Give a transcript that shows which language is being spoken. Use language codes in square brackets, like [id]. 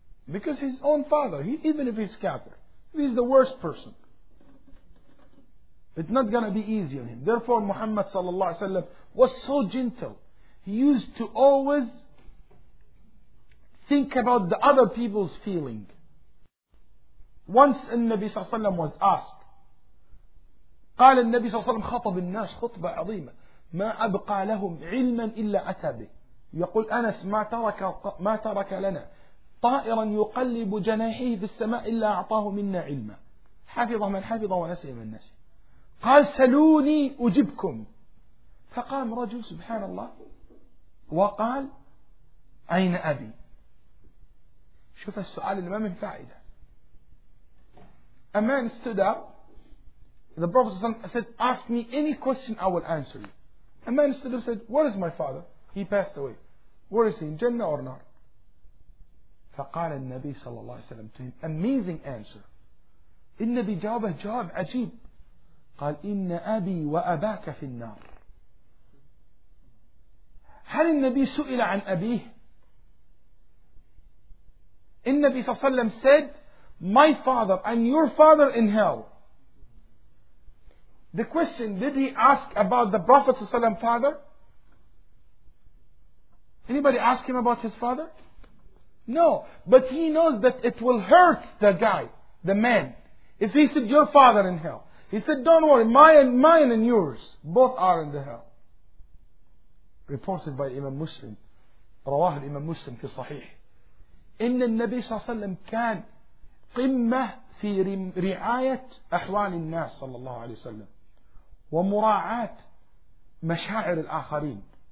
[en] Because his own father, even if he's Kafir, he's the worst person. It's not going to be easy on him. Therefore, Muhammad sallallahu alaihi wasallam was so gentle. He used to always think about the other people's feeling. Once the Nabi sallallahu alaihi wasallam was asked, [ar] قال النبي صلى الله عليه وسلم خطب الناس خطبة عظيمة ما أبقى لهم علما إلا أتى به. يقول أنس ما ترك لنا طائرا يقلب جناحه في السماء إلا أعطاه منا علما. حفظ من حفظ ونسي من نسي. قال سلوني أجبكم. فقام رجل سبحان الله وقال أين أبي. شوف السؤال اللي ما من فائدة. [en] A man stood up. The Prophet said, ask me any question, I will answer you. A man stood up and said, where is my father? He passed away. Where is he, in Jannah or not? [ar] فقال النبي صلى الله عليه وسلم [en] to him, amazing answer. [ar] النبي جاوبه جواب عجيب. قال إن أبي وأباك في النار. هل النبي سئل عن أبيه؟ النبي صلى الله عليه وسلم [en] said, my father and your father in hell. The question, did he ask about the Prophet صلى الله عليه وسلم father? Anybody ask him about his father? No, but he knows that it will hurt the guy, the man, if he said your father in hell. He said, don't worry, mine and yours, both are in the hell. Reported by Imam Muslim, [ar] رواه الإمام مسلم في صحيح. إن النبي صلى الله عليه وسلم كان قمة في رعاية أحوال الناس صلى الله عليه وسلم ومراعاة مشاعر الآخرين.